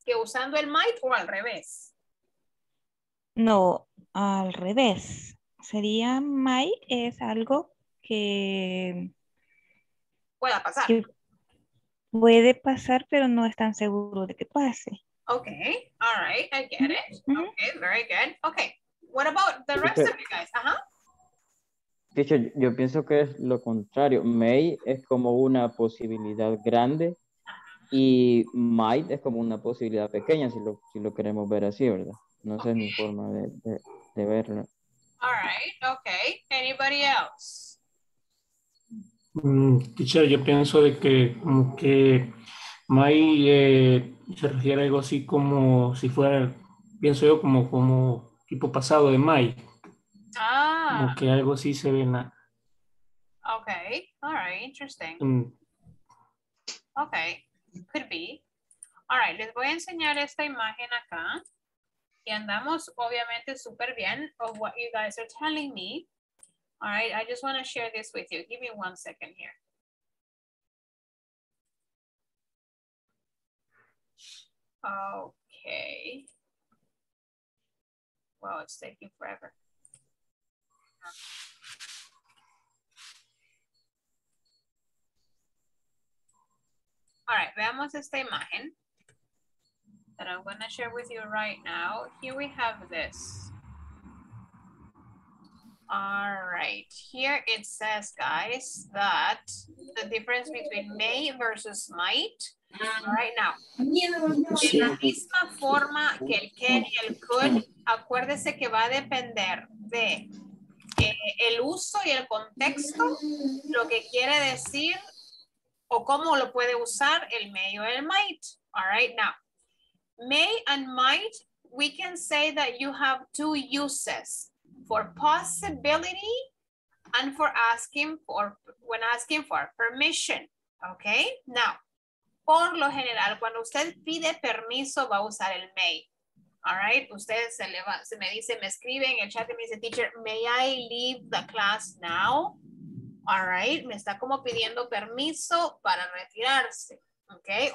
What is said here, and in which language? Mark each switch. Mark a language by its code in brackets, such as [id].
[es] ¿Que usando el might o al revés? No, al revés. Sería might es algo que pueda pasar. Que puede pasar, pero no es tan seguro de que pase. [en] Okay, all right, I get it. Mm-hmm. Okay, very good. Okay, what about the rest of you guys? [es] Uh-huh. Teacher, yo pienso que es lo contrario. May es como una posibilidad grande. Y might es como una posibilidad pequeña, si lo, si lo queremos ver así, ¿verdad? No sé, okay. mi forma de verlo. [en] All right, okay. Anybody else? [es] Teacher, yo pienso de que como que might se refiere a algo así como si fuera, pienso yo, como, como tipo pasado de might. Ah. Como que algo así se ve en la... [en] Okay, all right, interesting. Okay. Could be. [es] All right, les voy a enseñar esta imagen acá. Y andamos obviamente súper bien [en] of what you guys are telling me. All right, I just want to share this with you. Give me one second here. Okay. Well, it's taking forever. All right, [es] veamos esta imagen [en] that I'm gonna share with you right now. Here we have this. All right, here it says, guys, that the difference between may versus might, right now. [es] En la misma forma que el can y el could, acuérdese que va a depender de el uso y el contexto, lo que quiere decir o cómo lo puede usar el may o el might. [en] All right, now, may and might, we can say that you have two uses for possibility and for asking for, when asking for permission, okay? [es] Now, por lo general, cuando usted pide permiso, va a usar el may. All right, usted se le va, se me dice, me escribe en el chat y me dice, teacher, [en] may I leave the class now? [es] All right, me está como pidiendo permiso para retirarse, ¿ok?